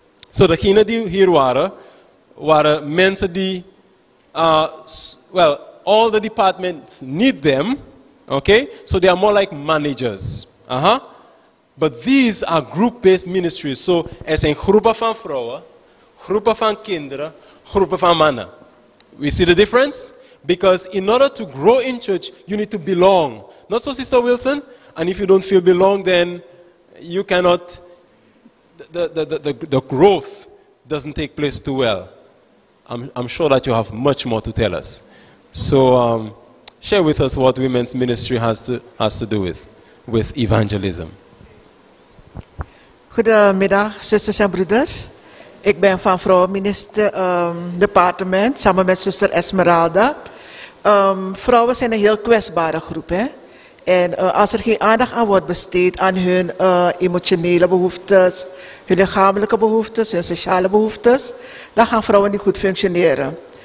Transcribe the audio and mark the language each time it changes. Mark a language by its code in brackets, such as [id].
[nl] Zo, degenen die hier waren, waren mensen die, [en] all the departments need them, okay? So they are more like managers. But these are group-based ministries. [nl] So, er zijn groepen van vrouwen, groepen van kinderen, groepen van mannen. [en] We see the difference? Because in order to grow in church, you need to belong. Not so, Sister Wilson? And if you don't feel belong, then you cannot, the growth doesn't take place too well. I'm sure that you have much more to tell us. So share with us what women's ministry has to do with evangelism. [nl] Goedemiddag, zusters en broeders. Ik ben van vrouwenminister departement, samen met zuster Esmeralda. Vrouwen zijn een heel kwetsbare groep, hè? En als er geen aandacht aan wordt besteed aan hun emotionele behoeftes, hun lichamelijke behoeftes, hun sociale behoeftes, dan gaan vrouwen niet goed functioneren.